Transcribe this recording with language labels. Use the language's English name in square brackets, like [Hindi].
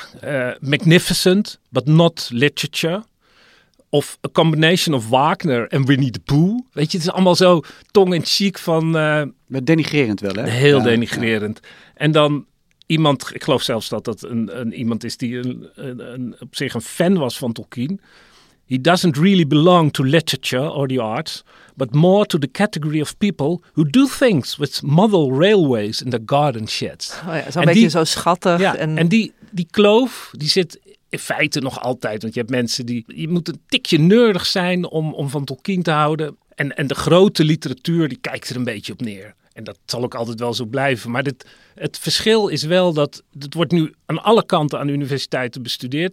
[English] Ja, magnificent, but not literature. Of a combination of Wagner en Winnie the Pooh. [Dutch] Weet je, het is allemaal zo tong-in-cheek van... Met denigrerend wel, hè? Heel ja, denigrerend. Ja. En dan... Iemand, ik geloof zelfs dat dat een iemand is die een op zich een fan was van Tolkien. [English] He doesn't really belong to literature or the arts, but more to the category of people who do things with model railways in the garden sheds. [Dutch] Oh ja, zo'n beetje die, zo schattig. Ja, en die kloof, die zit in feite nog altijd, want je hebt mensen die... Je moet een tikje nerdig zijn om van Tolkien te houden. En de grote literatuur, die kijkt er een beetje op neer. En dat zal ook altijd wel zo blijven. Maar het verschil is wel dat het wordt nu aan alle kanten aan universiteiten bestudeerd.